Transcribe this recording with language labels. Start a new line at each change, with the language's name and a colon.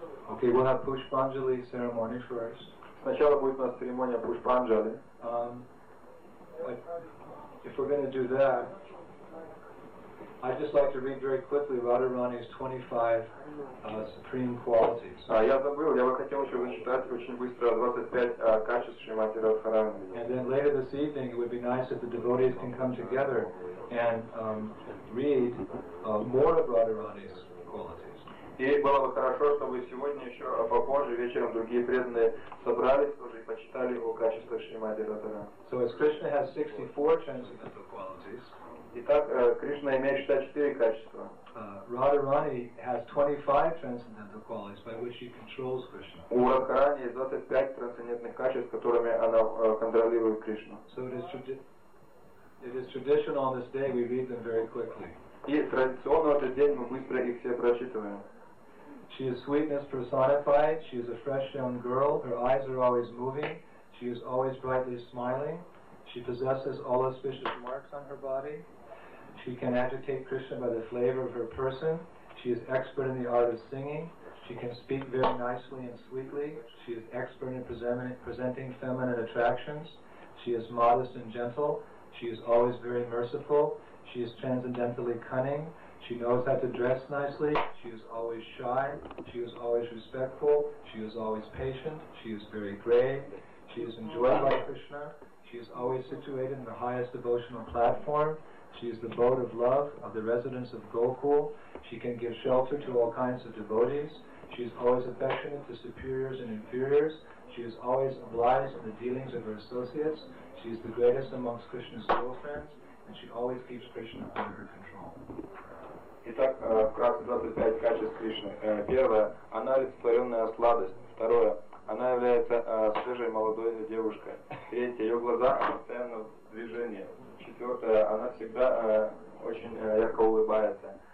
English: Okay, we'll have Pushpanjali ceremony first.
Russian: Сначала будет у нас церемония Пушпанджали.
English: If we're going to do that, I'd just like to read very quickly Radharani's 25 supreme qualities.
Russian: Я забыл, я бы хотел еще зачитать очень быстро 25 качеств Шримати Радхарани.
English: And then later this evening, it would be nice if the devotees can come together and read more of Radharani's qualities.
Russian: И было бы хорошо, чтобы сегодня еще попозже вечером другие преданные собрались тоже и почитали его качество Шримати Радхарани.
English: So as Krishna has 64 transcendental qualities.
Russian: Итак, Кришна имеет 64 качества.
English: Radharani has 25 transcendental qualities by which she controls Krishna.
Russian: У Радхарани есть 25 трансцендентных качеств, которыми она контролирует Кришну.
English: So it is traditional on this day we read them very quickly.
Russian: И традиционно в этот день мы быстро их все прочитываем.
English: She is sweetness personified. She is a fresh young girl. Her eyes are always moving. She is always brightly smiling. She possesses all auspicious marks on her body. She can agitate Krishna by the flavor of her person. She is expert in the art of singing. She can speak very nicely and sweetly. She is expert in presenting feminine attractions. She is modest and gentle. She is always very merciful. She is transcendentally cunning. She knows how to dress nicely. She is always shy. She is always respectful. She is always patient. She is very grave. She is enjoyed by Krishna. She is always situated in the highest devotional platform. She is the boat of love of the residents of Gokul. She can give shelter to all kinds of devotees. She is always affectionate to superiors and inferiors. She is always obliged in the dealings of her associates. She is the greatest amongst Krishna's girlfriends. And she always keeps Krishna under her control.
Russian: Итак, вкратце 25 качеств Кришны. Первое, она олицетворенная сладость. Второе, она является свежей молодой девушкой. Третье, ее глаза постоянно в движении. Четвертое, она всегда очень ярко улыбается.